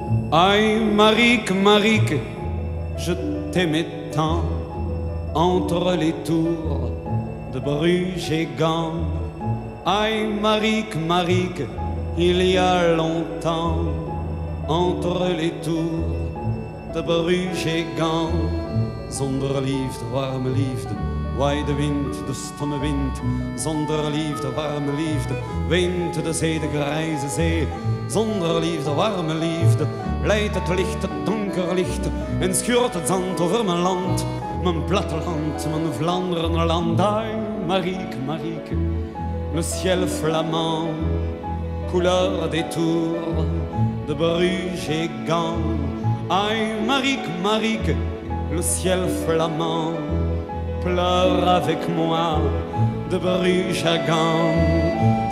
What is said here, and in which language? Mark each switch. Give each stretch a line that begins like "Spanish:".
French: Aïe, Marique, Marique, je t'aimais tant, entre les tours de Bruges et Gand. Aïe, Marique, Marique, il y a longtemps, entre les tours de Bruges et Gand.
Dutch: Zonder liefde, warme liefde, waai de wind, de stomme wind. Zonder liefde, warme liefde, wind de zee, de grijze zee. Zonder liefde, warme liefde, leidt het licht, het donker licht en schuurt het zand over mijn land, mijn platteland, mijn Vlaanderen land.
French: Ai, Marieke, Marieke, le ciel flamand, couleur des tours de Bruges et Gand. Ai, Marieke, Marieke, le ciel flamand, pleure avec moi de Bruges à Gand.